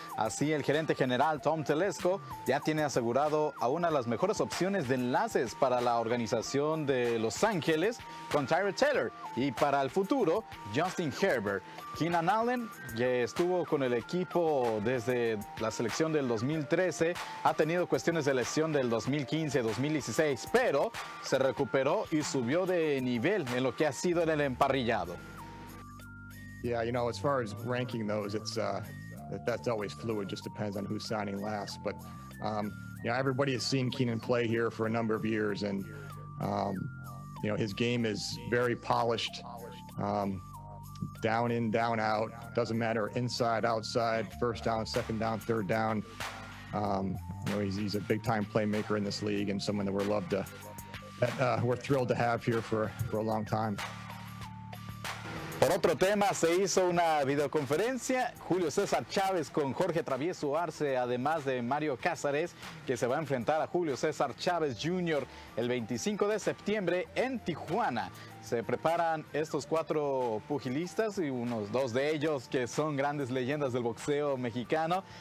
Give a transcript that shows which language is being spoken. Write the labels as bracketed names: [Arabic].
[Spanish] Así, el gerente general Tom Telesco ya tiene asegurado a una de las mejores opciones de enlaces para la organización de Los Ángeles con Tyrod Taylor y para el futuro Justin Herbert. Keenan Allen, que estuvo con el equipo desde la selección del 2013, ha tenido cuestiones de lesión del 2015-2016, pero se recuperó y subió de nivel en lo que ha sido en el emparrillado. [English] Yeah, you know, as far as ranking those, it's that's always fluid. Just depends on who's signing last. But you know, everybody has seen Keenan play here for a number of years, and you know, his game is very polished. Down in, down out, doesn't matter, inside, outside, first down, second down, third down. You know, he's a big time playmaker in this league and someone that we're thrilled to have here for a long time. [Spanish] Por otro tema, se hizo una videoconferencia Julio César Chávez con Jorge Travieso Arce, además de Mario Cázares, que se va a enfrentar a Julio César Chávez Jr. el 25 de septiembre en Tijuana. Se preparan estos 4 pugilistas y unos 2 de ellos que son grandes leyendas del boxeo mexicano.